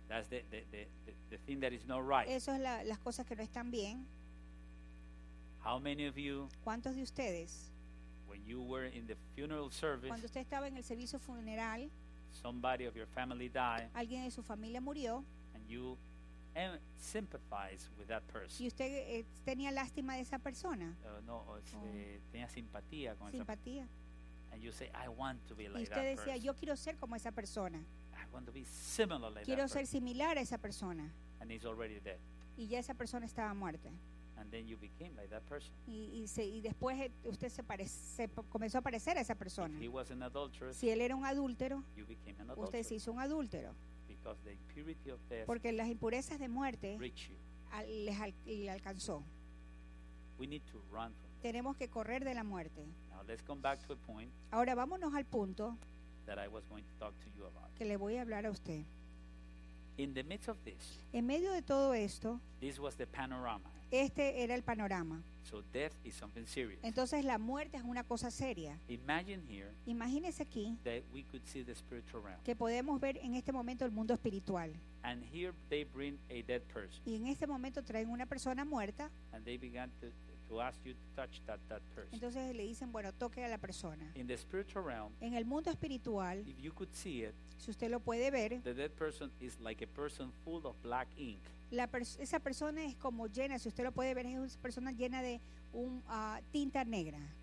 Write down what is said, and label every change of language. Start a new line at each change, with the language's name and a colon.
English: That's the thing that is not right.
Spanish: Eso es las cosas que no están bien.
English: How many of you?
Spanish: ¿Cuántos de ustedes?
English: When you were in the funeral service.
Spanish: Cuando usted estaba en el servicio funeral.
English: Somebody of your family died.
Spanish: Alguien de su familia murió.
English: And you sympathize with that person.
Spanish: Y usted tenía lástima de esa persona. Tenía simpatía con simpatía. Esa persona.
English: And you say, I want to be like that.
Spanish: Y usted
English: that
Spanish: decía,
English: person.
Spanish: Yo quiero ser como esa persona.
English: I want to be similar like
Spanish: quiero
English: that
Spanish: ser
English: person.
Spanish: Similar a esa persona.
English: And he's already dead.
Spanish: Y ya esa persona estaba muerta.
English: And then you became like that person.
Spanish: Y después usted comenzó a parecer a esa persona.
English: If he was an adulterer,
Spanish: si él era un adúltero,
English: you became an adulterer.
Spanish: Usted se hizo un adúltero.
English: Because the impurity of death,
Spanish: porque las impurezas de muerte le alcanzó.
English: We need to run from that.
Spanish: Tenemos que correr de la muerte.
English: Now let's come back to a point.
Spanish: Ahora vámonos al punto
English: that I was going to talk to you about.
Spanish: Que le voy a hablar a usted.
English: In the midst of this,
Spanish: en medio de todo esto,
English: this was the panorama.
Spanish: Este era el panorama.
English: So death is something serious.
Spanish: Entonces la muerte es una cosa seria.
English: Imagine here,
Spanish: imagínese aquí,
English: that we could see the spiritual realm.
Spanish: Que podemos ver en este momento el mundo espiritual.
English: And here they bring a dead person.
Spanish: Y en este momento traen una persona muerta.
English: And they began to ask you to touch that person.
Spanish: Entonces le dicen, bueno, toque a la persona.
English: In the spiritual realm,
Spanish: en el mundo espiritual,
English: if you could see it,
Spanish: si usted lo puede ver,
English: the dead person is like a person full of black ink.
Spanish: Esa persona es como llena, si usted lo puede ver, es una persona llena de tinta negra.